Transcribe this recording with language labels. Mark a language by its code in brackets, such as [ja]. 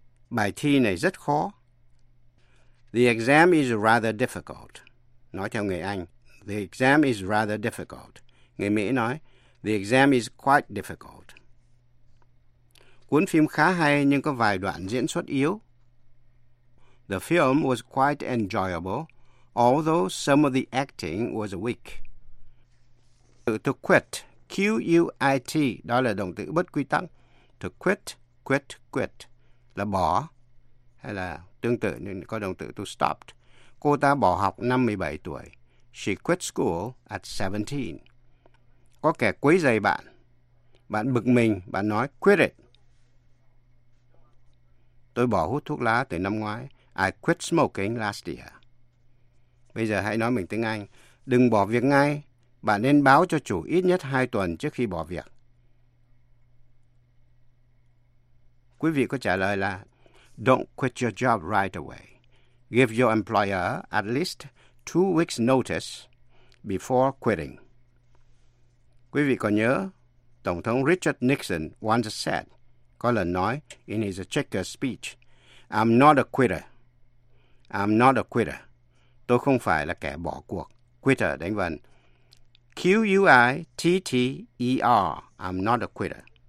[vi] Bài thi này rất khó. [en] The exam is rather difficult. [vi] Nói theo người Anh. [en] The exam is rather difficult. [vi] Người Mỹ nói. [en] The exam is quite difficult. [vi] Cuốn phim khá hay nhưng có vài đoạn diễn xuất yếu. [en] The film was quite enjoyable, although some of the acting was weak. [vi] To quit, Q-U-I-T, đó là động từ bất quy tắc. To quit, quit, quit, là bỏ. Hay là tương tự, có động từ to stopped. Cô ta bỏ học 57 tuổi. [en] She quit school at 17. [vi] Có kẻ quấy rầy bạn. Bạn bực mình, bạn nói [en] quit it. [vi] Tôi bỏ hút thuốc lá từ năm ngoái. [en] I quit smoking last year. [vi] Bây giờ hãy nói mình tiếng Anh. Đừng bỏ việc ngay. Bạn nên báo cho chủ ít nhất 2 tuần trước khi bỏ việc. Quý vị có trả lời là [en] don't quit your job right away. [vi] Give your employer at least 2 weeks notice before quitting. Quý vị có nhớ Tổng thống Richard Nixon once said, có lần nói in his Checkers speech, I'm not a quitter. I'm not a quitter. Tôi không phải là kẻ bỏ cuộc. Quitter, đánh vần. Q-U-I-T-T-E-R. [en] I'm not a quitter.